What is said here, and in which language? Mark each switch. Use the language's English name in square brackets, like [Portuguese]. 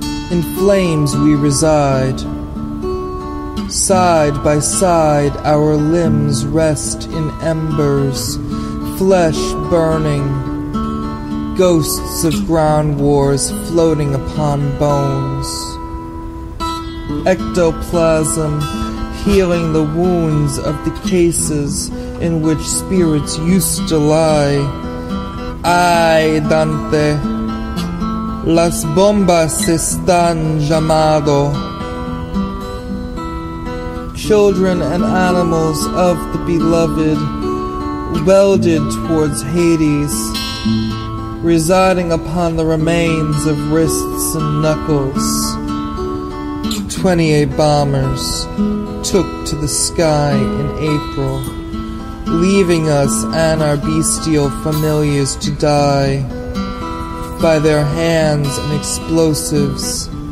[English] In flames we reside. Side by side, our limbs rest in embers, flesh burning, ghosts of ground wars floating upon bones. Ectoplasm healing the wounds of the cases in which spirits used to lie. [Spanish] Ay, Dante, las bombas están llamado. [English] Children and animals of the beloved, welded towards Hades, residing upon the remains of wrists and knuckles. 28 bombers took to the sky in April, leaving us and our bestial familiars to die by their hands and explosives.